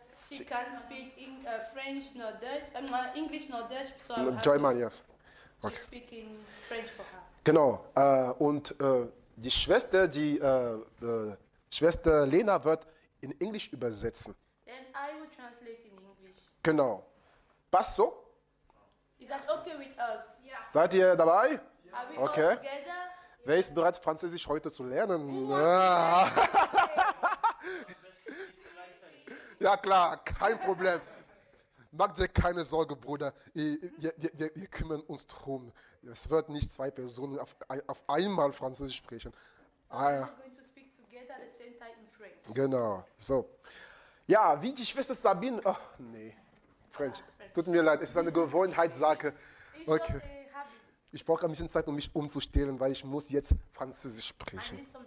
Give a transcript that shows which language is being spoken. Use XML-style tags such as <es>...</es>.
<en>She can't speak French nor Dutch. English nor Dutch. So no, German, yes. Okay. Speak in French for her.</en> <de>Genau, und die Schwester, die Schwester Lena wird in Englisch übersetzen.</de> <en>Then I will translate in English.</en> <de>Genau. Passt so?</de> <en>Is that okay with us?</en> <de>Yeah. Seid ihr dabei?</de> <en>Yeah. Okay. Yeah.</en> <de>Wer ist bereit, Französisch heute zu lernen? Ja, klar, kein Problem. Mach dir keine Sorge, Bruder. Wir kümmern uns drum. Es wird nicht zwei Personen auf einmal Französisch sprechen.</de> <en>We're going to speak together at the same time in French.</en> <de>Genau. So. Ja, wie die Schwester Sabine. Ach, nee. French. Tut mir leid, es ist eine Gewohnheitssache. Okay. Ich brauche ein bisschen Zeit, um mich umzustellen, weil ich muss jetzt Französisch sprechen.</de>